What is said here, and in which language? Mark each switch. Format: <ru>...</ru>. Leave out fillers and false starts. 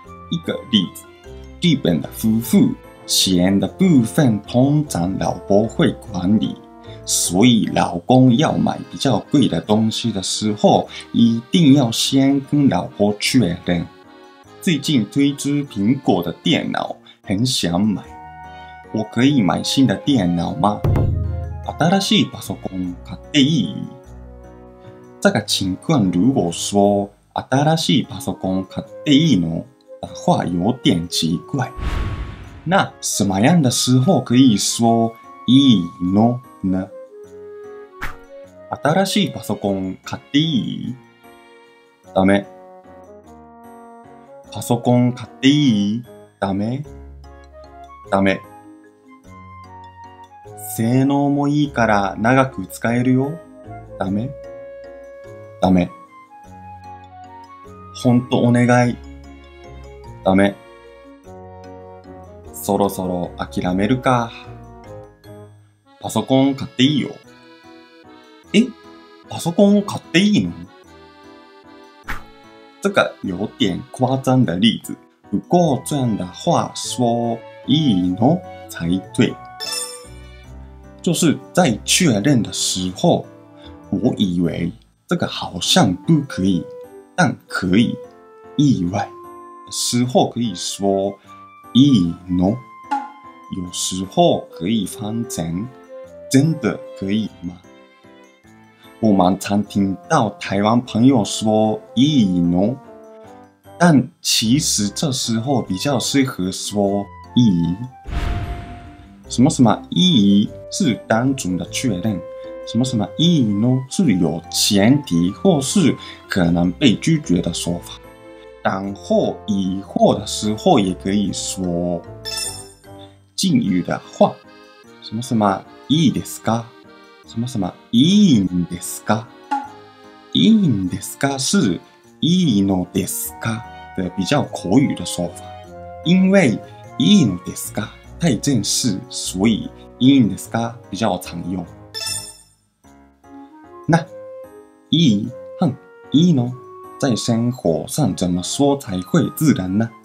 <zh>一个例子，日本的夫妇钱的部分通常老婆会管理，所以老公要买比较贵的东西的时候，一定要先跟老婆确认。最近推出苹果的电脑，很想买，我可以买新的电脑吗？</zh> <ja>新しいパソコン買っていい？</ja> <zh>这个情况如果说</zh> <ja>新しいパソコン買っていいの</ja> <zh>的话有点奇怪。那什么样的时候可以说いいの呢？</zh> <ja>新しいパソコン買っていい？ダメ。パソコン買っていい？ダメ。ダメ。性能もいいから長く使えるよ。ダメ。ダメ。ほんとお願い。ダメ。そろそろ諦めるか。パソコン買っていいよ。え？パソコン買っていいの？</ja> <zh>这个有点夸张的例子。不过这样的话说いいの才对。就是在确认的时候，我以为这个好像不可以，但可以。意外的时候可以说“いいの”，有时候可以翻成“真的可以吗”。我蛮常听到台湾朋友说“いいの”，但其实这时候比较适合说“いい”。什么什么意义是单纯的确认，什么什么意义呢是有前提或是可能被拒绝的说法。然后疑惑的时候也可以说敬语的话，什么什么いいですか，什么什么いいんですか。いいんですか是いいのですか的比较口语的说法，因为いいのですか太正式，所以いいんですか比较常用。那いい、哼、いいの在生活上怎么说才会自然呢？</zh>